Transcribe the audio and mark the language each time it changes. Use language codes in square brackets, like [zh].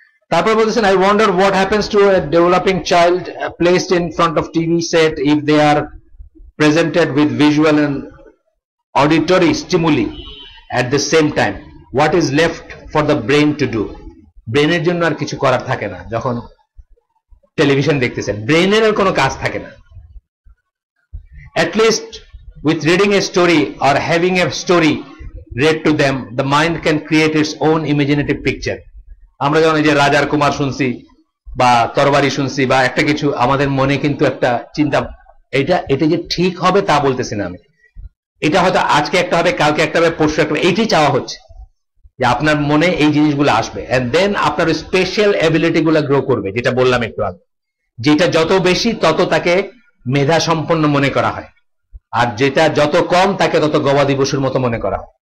[bn] তারপর বলতেছেন, [en] I wonder what happens to a developing child placed in front of TV set if they are presented with visual and auditory stimuli at the same time, what is left for the brain to do. [bn] ব্রেনের জন্য আর কিছু করার থাকে না যখন television দেখতেছেন, ব্রেনের আর কোনো কাজ থাকে না। At least [en] With reading a story or having a story read to them, the mind can create its own imaginative picture. [bn] আমরা যখন এই যে রাজার কুমার শুনছি বা তরবারি শুনছি বা একটা কিছু, আমাদের মনে কিন্তু একটা চিন্তা, এটা এটা যে ঠিক হবে তা বলতেছি না আমি, এটা হয়তো আজকে একটা হবে, কালকে একটা হবে, পরশু একটা হবে, এইটাই চাওয়া হচ্ছে যে আপনার মনে এই জিনিসগুলো আসবে। [en] and then [bn] আপনার স্পেশাল অ্যাবিলিটি গুলো গ্রো করবে, যেটা বললাম একটু আগে, যেটা যত বেশি তত তাকে মেধা সম্পন্ন মনে করা হয়, আর যেটা যত কম তাকে তত গবাদি পশুর মতো মনে করা হয়।